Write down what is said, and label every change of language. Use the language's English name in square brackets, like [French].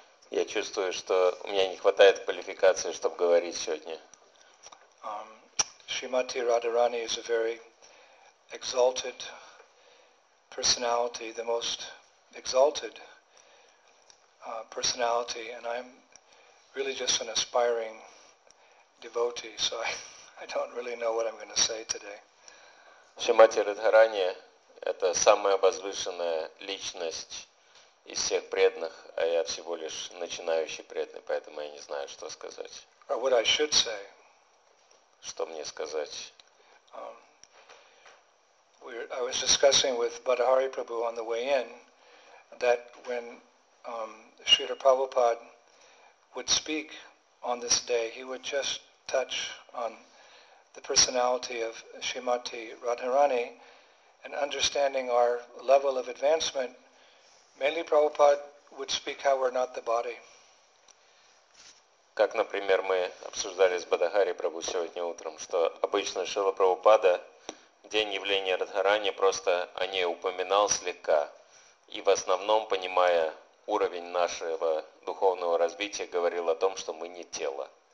[Russian] Я чувствую, что у меня не хватает квалификации, чтобы говорить сегодня. [English] Shrimati Radharani is a very exalted personality, the most exalted personality, and I'm really just an aspiring devotee, so I don't really know what I'm going to say today. [Russian] Шримати Радхарани – это самая возвышенная личность из всех преданных, а я всего лишь начинающий преданный, поэтому я не знаю, что сказать. [English] Or what I should say. [Russian] Что мне сказать? [English] I was discussing with Badahari Prabhu on the way in that when Srila Prabhupada would speak on this day, he would just touch on the personality of Srimati Radharani, and understanding our level of advancement, mainly Prabhupada would speak how we're not the body. [Russian] Как, например, мы обсуждали с Бадахари Прабху сегодня утром, что обычно Шрила Прабхупада в день явления Радхарани просто о ней упоминал слегка, и в основном, понимая уровень нашего духовного развития, говорил о том, что мы не тело.